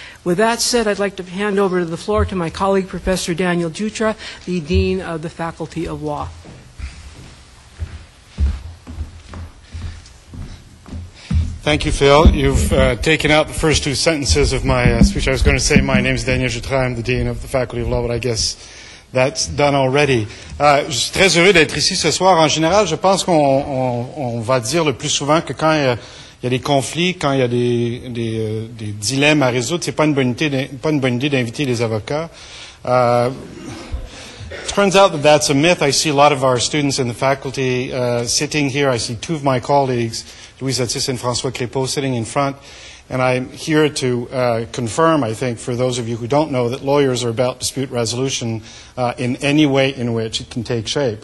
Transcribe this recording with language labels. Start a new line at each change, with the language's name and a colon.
English: With that said, I'd like to hand over the floor to my colleague, Professor Daniel Jutra, the Dean of the Faculty of Law. Thank you, Phil. You've taken out the first two sentences of my speech. I was going to say my name is Daniel Jutra, I'm the Dean of the Faculty of Law, but I guess that's done already.
French: Je suis très heureux d'être ici ce soir. En général, je pense qu'on va dire le plus souvent que quand il y a des conflits, quand il y a des dilemmes à résoudre, c'est pas une bonne idée d'inviter les avocats.
English: Turns out that that's a myth. I see a lot of our students in the faculty sitting here. I see two of my colleagues, Louis Attis and François Crépeau, sitting in front. And I'm here to confirm, I think, for those of you who don't know, that lawyers are about dispute resolution in any way in which it can take shape.